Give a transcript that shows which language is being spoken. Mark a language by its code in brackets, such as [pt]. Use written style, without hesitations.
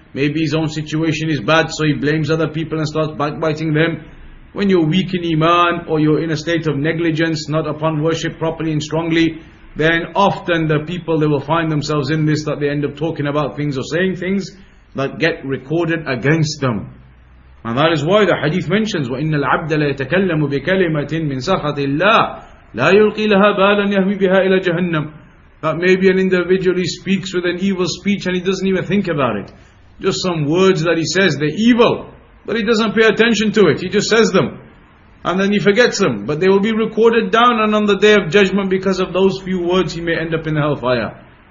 [en] Maybe his own situation is bad, so he blames other people and starts backbiting them. When you're weak in iman or you're in a state of negligence, not upon worship properly and strongly, then often the people they will find themselves in this, that they end up talking about things or saying things that get recorded against them. And that is why the hadith mentions, [ar] وَإِنَّ الْعَبْدَ لَيَتَكَلَّمُ بِكَلِمَةٍ مِّنْ سَخَطِ اللَّهِ لَا يُلْقِي لَهَا بَالًا يَهْوِي بِهَا إِلَى جَهَنَّمٍ. [en] That maybe an individual, he speaks with an evil speech and he doesn't even think about it. Just some words that he says, they're evil, but he doesn't pay attention to it. He just says them and then he forgets them. But they will be recorded down and on the day of judgment because of those few words he may end up in the hellfire.